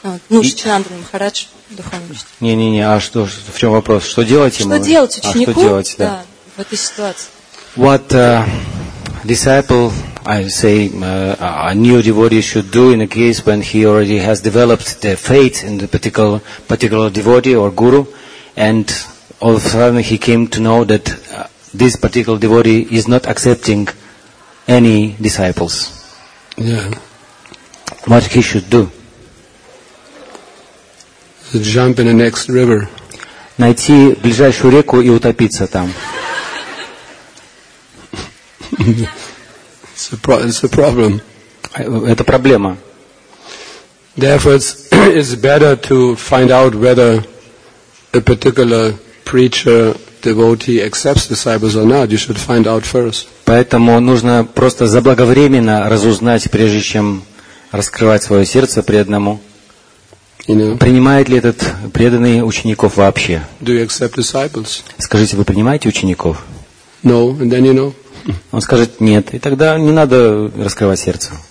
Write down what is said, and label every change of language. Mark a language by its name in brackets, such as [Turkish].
[Russian] Шичинандра Махарадж, духовный учитель. Не-не-не, а что, в чем вопрос? Что делать ему? Что делать ученику? А что делать, да, в этой ситуации? [English] What disciple, I say, a new devotee should do in a case when he already has developed the faith in the particular devotee or guru, and all of a sudden he came to know that this particular devotee is not accepting any disciples. Yeah. What he should do? To jump in the next river. [Russian] Найти ближайшую реку и утопиться там. [English] It's a problem. [Russian] Это проблема. [English] Therefore, it's better to find out whether a particular preacher devotee accepts disciples or not, you should find out first. [Russian] Поэтому нужно просто заблаговременно разузнать, прежде чем раскрывать свое сердце преданному. Принимает ли этот преданный учеников вообще? [English] Do you accept disciples? [Russian] Скажите, вы принимаете учеников? [English] No, and then you know. [Russian] Он скажет нет, и тогда не надо раскрывать сердце.